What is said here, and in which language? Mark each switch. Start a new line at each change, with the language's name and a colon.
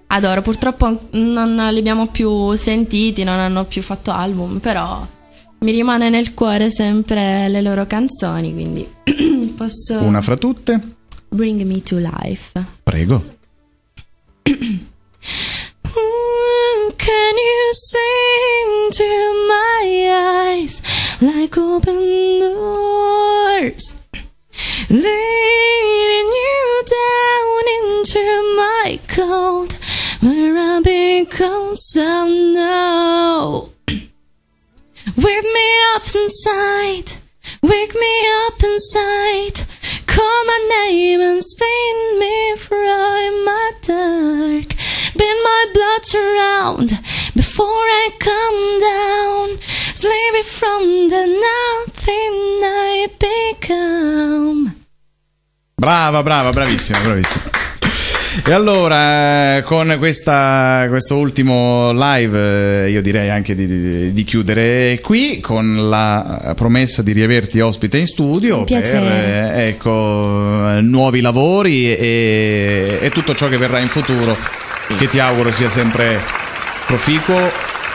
Italian: Adoro, purtroppo non li abbiamo più sentiti, non hanno più fatto album, però mi rimane nel cuore sempre le loro canzoni, quindi posso... Una fra tutte.
English: Bring Me to Life.
Italian: Prego.
English: Can you see into my eyes like open doors, leading you down into my cold, where I become so now. Wake me up inside, wake me up inside, call my name and save me from my dark. Bend my blood around before I come down, slay me from the nothing I become.
Italian: Brava, brava, bravissima, bravissima. E allora, con questo ultimo live, io direi anche di chiudere qui, con la promessa di riaverti ospite in studio. Un piacere. Per ecco, nuovi lavori e tutto ciò che verrà in futuro, che ti auguro sia sempre proficuo.